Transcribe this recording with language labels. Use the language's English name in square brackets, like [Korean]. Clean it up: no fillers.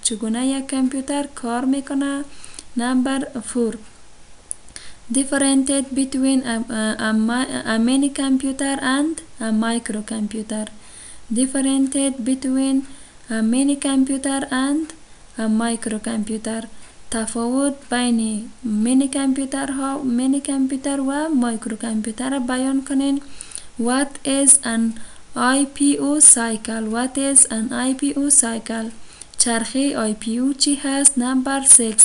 [Persian] چگونه یک کامپیوتر کار میکنه؟ [English] Number 4. Differentiate between a mini computer and a micro computer. Differentiate between a mini computer and a micro computer. [Persian] تفاوت بین مینی کامپیوتر ها، مینی کامپیوتر و مایکرو کامپیوتر را بیان کنین. [English] What is an IPO cycle? What is an IPO cycle? [Persian] چرخه IPO چی هست؟ [English] Number 6.